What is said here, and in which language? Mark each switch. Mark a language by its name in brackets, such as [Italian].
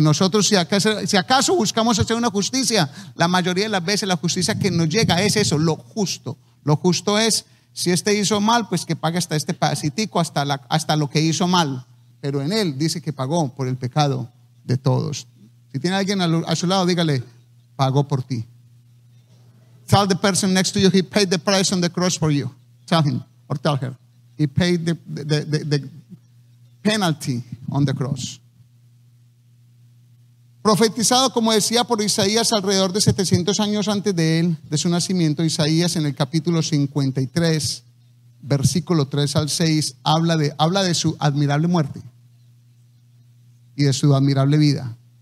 [Spanish] Nosotros, si acaso buscamos hacer una justicia, la mayoría de las veces la justicia que nos llega es eso, lo justo. Lo justo es, si este hizo mal, pues que pague hasta este pasitico, hasta lo que hizo mal. Pero en él dice que pagó por el pecado de todos. Si tiene alguien a su lado, dígale: pagó por ti. [English] Tell the person next to you, he paid the price on the cross for you. Tell him or tell her, he paid the penalty on the cross. [Spanish] Profetizado, como decía, por Isaías alrededor de 700 años antes de él, de su nacimiento. Isaías, en el capítulo 53, versículo 3 al 6, habla de su admirable muerte y de su admirable vida.